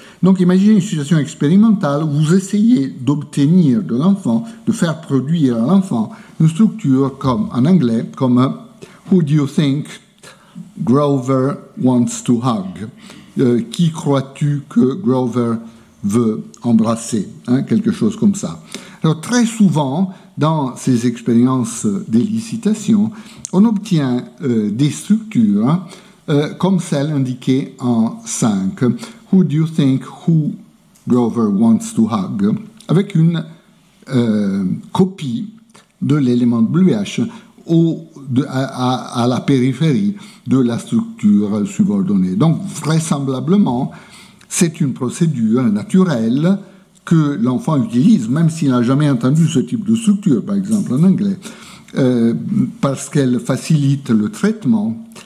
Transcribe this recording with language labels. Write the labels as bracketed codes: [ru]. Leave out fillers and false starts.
[fr] Donc imaginez une situation expérimentale où vous essayez d'obtenir de l'enfant, de faire produire à l'enfant une structure comme en anglais, comme « [en] Who do you think Grover wants to hug [fr] ?»« Qui crois-tu que Grover veut embrasser ?» Quelque chose comme ça. Alors très souvent, dans ces expériences d'élicitation, on obtient des structures comme celles indiquées en 5. [en] « Who do you think who Grover wants to hug ?» [fr] avec une copie de l'élément WH à la périphérie de la structure subordonnée. Donc, vraisemblablement, c'est une procédure naturelle que l'enfant utilise, même s'il n'a jamais entendu ce type de structure, par exemple en anglais, parce qu'elle facilite le traitement.